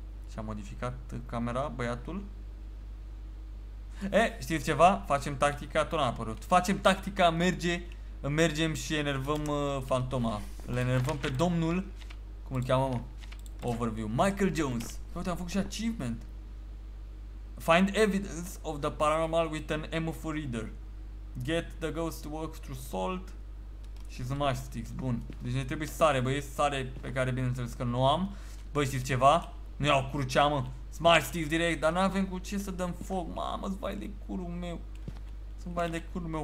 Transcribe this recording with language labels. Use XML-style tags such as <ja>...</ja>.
<ro>Și-a modificat camera băiatul. E, știți ceva? Facem tactica, tot n-a apărut. Facem tactica, mergem și enervăm fantoma. Le enervăm pe domnul, cum îl cheamă, mă? Overview. Michael Jones. Uite, am făcut și achievement.</ro> <en>Find evidence of the paranormal with an MF reader. Get the ghost walk through salt și smash sticks. Bun.</en> <ro>Deci ne trebuie sare, băi. Sare pe care, bineînțeles, că nu am. Băi, știți ceva? Nu iau crucea, mă. Smash sticks direct. Dar n-avem cu ce să dăm foc. Mamă-s, vai de curul meu. Sunt vai de curul meu.</ro>